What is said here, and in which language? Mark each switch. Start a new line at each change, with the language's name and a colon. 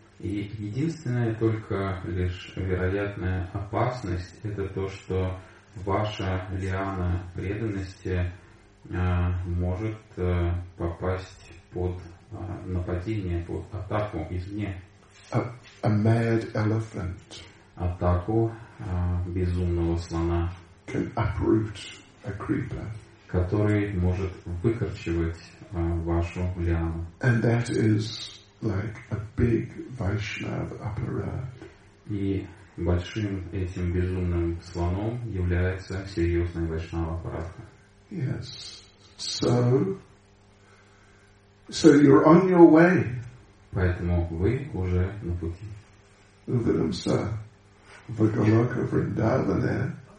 Russian: И единственная только лишь вероятная опасность это то, что ваша лиана преданности может попасть под нападение, под атаку извне.
English: A mad elephant.
Russian: Атаку безумного слона.
English: Can uproot a creeper.
Russian: Который может выкорчевать вашу лиану.
English: And that is like a big Vaishnava aparad.
Russian: И большим этим безумным слоном является серьезная Вайшнава аппаратка.
English: Yes. So you're on your way.
Russian: Поэтому вы уже на пути. Увидимся в Голока Вриндаване.